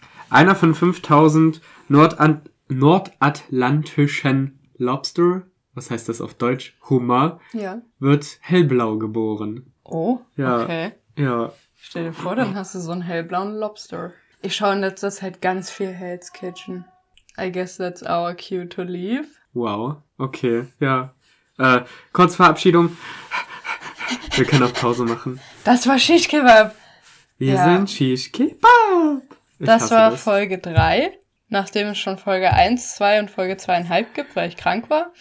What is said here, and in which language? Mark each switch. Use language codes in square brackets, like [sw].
[de] Einer von 5000 nordatlantischen Lobster... Was heißt das auf Deutsch? Hummer. Ja. Wird hellblau geboren. Oh, ja. Okay. Ja. Stell dir vor, dann hast du so einen hellblauen Lobster. Ich schaue in letzter Zeit ganz viel Hell's Kitchen. [en] I guess that's our cue to leave. [de] Wow, okay, ja. Kurz Verabschiedung. Wir können auch Pause machen. Das war Shish Kebab. Wir sind Shish Kebab. Das war das. Folge 3. Nachdem es schon Folge 1, 2 und Folge 2,5 gibt, weil ich krank war.